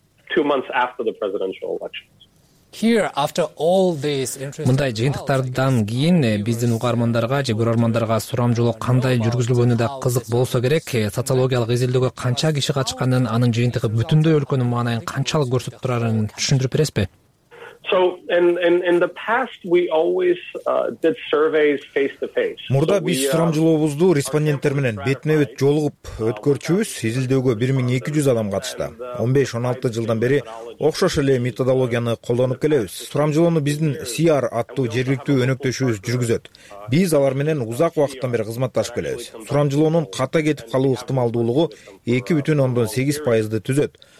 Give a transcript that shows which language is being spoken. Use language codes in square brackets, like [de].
[en] Here after all these interesting [ky] мындай жыйынтыктардан кийин биздин угармандарга же көрөрмандарга сурамжылоо кандай жүргүзүлгөнү да кызык болсо керек. Социологиялык изилдөөгө канча киши катышканын, анын жыйынтыгы бүтүндөй өлкөнүн маанайын канчалык көрсөтүп турарын түшүндүрүп бересизби? [en] So in the past we always did surveys face to face. [ky] Мурда биз сурамжылообузду респонденттер менен бетме-бет жолугуп өткөрчүбүз. Изилдөөгө 1200 адам катышты. 15-16 жылдан бери окшош эле методологияны колдонуп келебиз. Сурамжылоону биздин CR аттуу жергиликтүү өнөктөшүбүз жүргүзөт. Биз алар менен узак убакыттан бери кызматташып келебиз. Сурамжылоонун ката кетип калуу ыктымалдуулугу 2.8% түзөт.